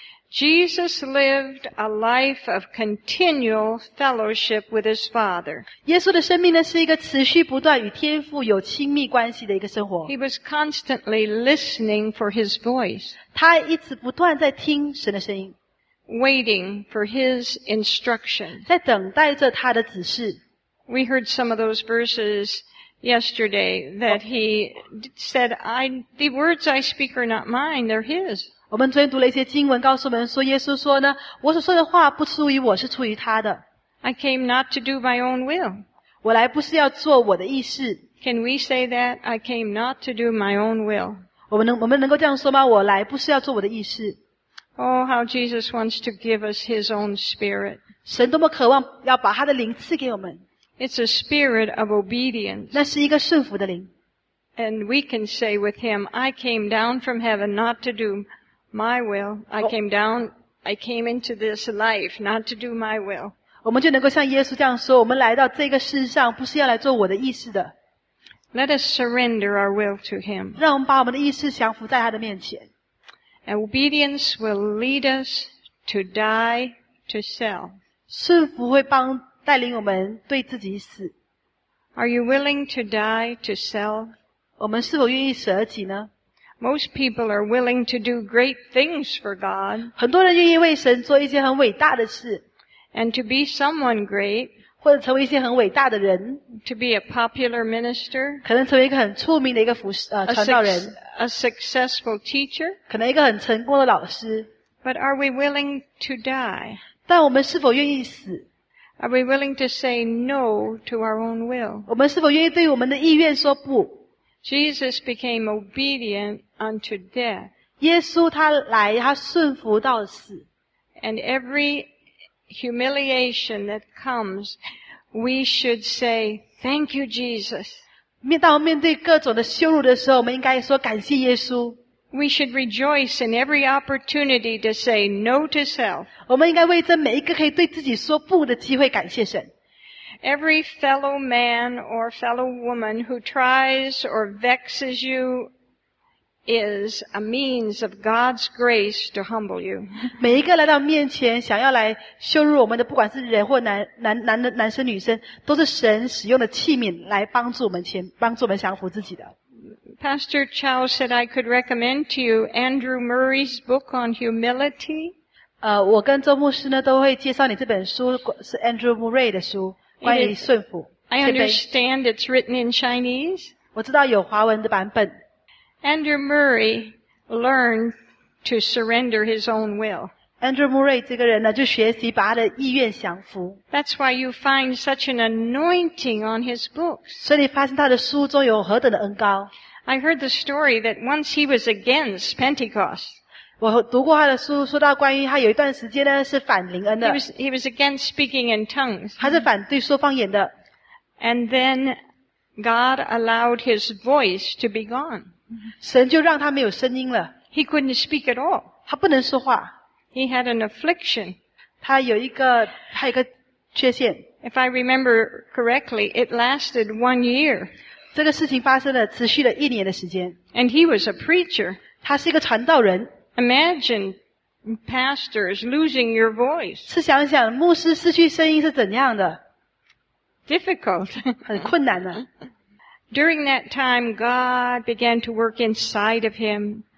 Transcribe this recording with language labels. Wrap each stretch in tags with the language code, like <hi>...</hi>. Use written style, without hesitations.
<en>Jesus lived a life of continual fellowship with his Father.</en> <zh>耶稣的生命呢是一个持续不断与天父有亲密关系的一个生活。</zh> <en>He was constantly listening for his voice.</en> <zh>他一直不断在听神的声音。</zh> <en>Waiting for his instruction.</en> <zh>在等待着他的指示。</zh> <en>We heard some of those verses yesterday that he said, the words I speak are not mine, they're his.</en> <zh>我们昨天读了一些经文告诉我们说耶稣说呢我所说的话不出于我是出于他的。</zh> <en>I came not to do my own will.</en> <zh>我来不是要做我的意思。</zh> <en>Can we say that? I came not to do my own will.</en> <zh>我们能够这样说吗我来不是要做我的意思。</zh> <en>Oh, how Jesus wants to give us his own spirit.</en> <zh>神多么渴望要把他的灵赐给我们。</zh> <en>It's a spirit of obedience.</en> <zh>那是一个顺服的灵。</zh> <en>And we can say with him, I came down from heaven not to do my will. I came into this life not to do my will.</en> <zh>我们就能够像耶稣这样说，我们来到这个世上不是要来做我的意思的。</zh> <en>Let us surrender our will to him.</en> <zh>让我们把我们的意思降服在他的面前。</zh> <en>Obedience will lead us to die to self.</en> <zh>顺服会帮带领我们对自己死。</zh> <en>Are you willing to die to self?</en> <zh>我们是否愿意舍己呢？</zh> <en>Most people are willing to do great things for God.</en> <zh>很多人愿意为神做一些很伟大的事。</zh> <en>And to be someone great.</en> <zh>或者成为一些很伟大的人。</zh> <en>To be a popular minister.</en> <zh>可能成为一个很出名的一个传道人。</zh> <en>A successful teacher.</en> <zh>可能一个很成功的老师。</zh> <en>But are we willing to die?</en> <zh>但我们是否愿意死？</zh> <en>Are we willing to say no to our own will?</en> <zh>我们是否愿意对我们的意愿说不？</zh> <en>Jesus became obedient unto death.</en> <zh>耶稣他来，他顺服到死。</zh> <en>And every humiliation that comes, we should say, thank you, Jesus.</en> <zh>面对各种的羞辱的时候，我们应该说感谢耶稣。</zh> <en>We should rejoice in every opportunity to say no to self.</en> <zh>我们应该为这每一个可以对自己说不的机会感谢神。</zh> <en>Every fellow man or fellow woman who tries or vexes you is a means of God's grace to humble you.</en> <zh>每一个来到面前想要来羞辱我们的，不管是人或男生女生，都是神使用的器皿来帮助我们降服自己的。</zh> <en>Pastor Chow said I could recommend to you Andrew Murray's book on humility.</en> <zh>我跟周牧师呢都会介绍你这本书是 Andrew Murray 的书，关于顺服。</zh> <en>I understand it's written in Chinese.</en> <zh>我知道有华文的版本。</zh> <en>Andrew Murray learned to surrender his own will.</en> <zh>Andrew Murray 这个人呢就学习把他的意愿降服。</zh> <en>That's why you find such an anointing on his books.</en> <zh>所以你发现他的书中有何等的恩膏。</zh> <en>I heard the story that once he was against Pentecost.</en> <zh>我读过他的书，说到关于他有一段时间呢是反灵恩的。</zh> <en>He was against speaking in tongues.</en> <zh>他是反对说方言的。</zh> <en>And then God allowed his voice to be gone.</en> <zh>神就让他没有声音了。</zh> <en>He couldn't speak at all.</en> <zh>他不能说话。</zh> <en>He had an affliction.</en> <zh>他有一个缺陷。</zh> <en>If I remember correctly, it lasted 1 year.</en> <zh>这个事情发生了，持续了一年的时间。</zh> <en>And he was a preacher.</en> <zh>他是一个传道人。</zh> <en>Imagine pastors losing your voice.</en> <zh>是想想牧师失去声音是怎样的。</zh> <en>Difficult.</en> <zh>很困难的。</zh> <en>During that time, God began to work inside of him.</en>